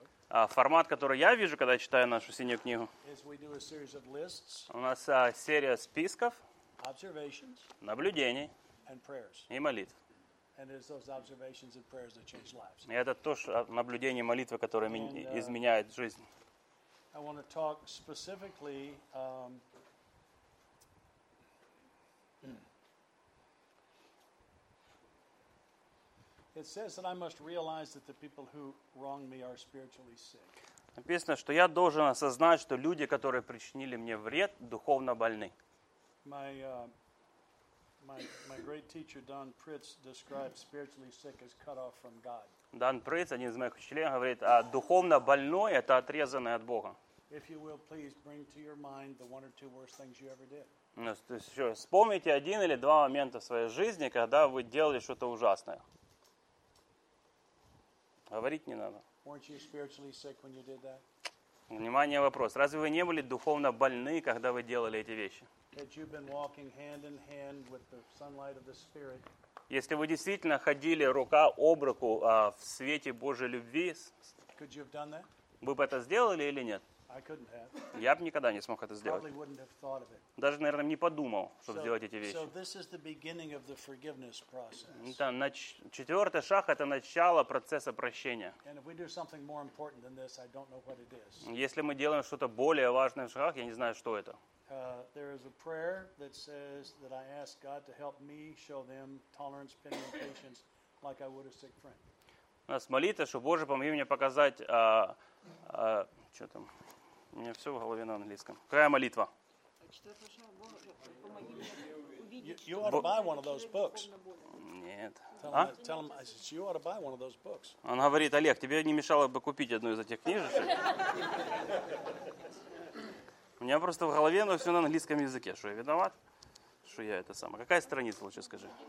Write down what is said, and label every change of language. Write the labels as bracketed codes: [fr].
[ru] Формат, который я вижу, когда я читаю нашу синюю книгу, [en] lists, [ru] у нас серия списков, наблюдений [en] and prayers. [ru] И молитв. [en] And it's those observations and prayers that change lives. [ru] И это то, что наблюдение и молитвы, которые изменяют жизнь. [en] I want to talk specifically, It says that I must realize that the people who wrong me are spiritually sick. [ru] Написано, что я должен осознать, что люди, которые причинили мне вред, духовно больны. [en] My great teacher Don Pritz describes spiritually sick as cut off from God. [ru] Дон Притц, один из моих учителей, говорит, а духовно больной это отрезанный от Бога. [en] If you will please bring to your mind the one or two worst things you ever did. [ru] Ну, то есть, еще, вспомните один или два момента в своей жизни, когда вы делали что-то ужасное. Говорить не надо. [en] Weren't you spiritually sick when you did that? [ru] Внимание, вопрос. Разве вы не были духовно больны, когда вы делали эти вещи? [en] Had you been walking hand in hand with the sunlight of the Spirit? [ru] Если вы действительно ходили рука об руку в свете Божьей любви, [en] could you have done that? [ru] Вы бы это сделали или нет? [en] I couldn't have. [ru] Я бы никогда не смог это сделать. [en] Probably wouldn't have thought of it. [ru] Даже, наверное, не подумал, чтобы сделать эти вещи. [en] So this is the beginning of the forgiveness process. [ru] Четвертый шаг – это начало процесса прощения. [en] And if we do something more important than this, I don't know what it is. [ru] Если мы делаем что-то более важное в шагах, я не знаю, что это. [en] There is a prayer that says that I ask God to help me show them tolerance, pity, and patience like I would a sick friend. [ru] У нас молитва, что Боже, помоги мне показать, что там? У меня все в голове на английском. Какая молитва? [en] You ought to buy one of those books. [ru] Нет. [en] Tell him, I said, you ought to buy one of those books. [ru] Он говорит, Олег, тебе не мешало бы купить одну из этих книжек? У меня просто в голове, но все на английском языке. Что, я виноват? Что я это самое? Какая страница, лучше скажи?